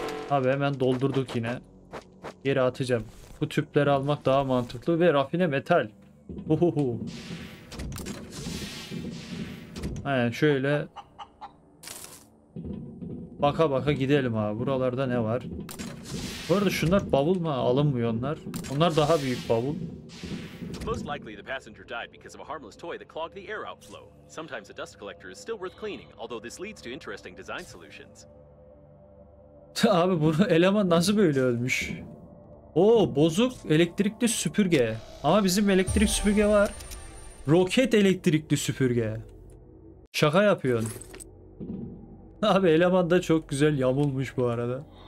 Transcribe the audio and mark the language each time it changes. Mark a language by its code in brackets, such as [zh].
[tr] Abi hemen doldurduk yine. Geri atacağım. Bu tüpleri almak daha mantıklı ve rafine metal. Uhuhu. Aynen şöyle. Baka baka gidelim abi. Buralarda ne var? Bu arada şunlar bavul mu? Alınmıyor onlar. Onlar daha büyük bavul. [en] Most likely the passenger died because of a harmless toy that clogged the air outflow. Sometimes a dust collector is still worth cleaning, although this leads to interesting design solutions. [tr] Abi bunu eleman nasıl böyle ölmüş? Oo, bozuk elektrikli süpürge. Ama bizim elektrik süpürge var. Roket elektrikli süpürge. Şaka yapıyorsun. Abi eleman da çok güzel yamulmuş bu arada.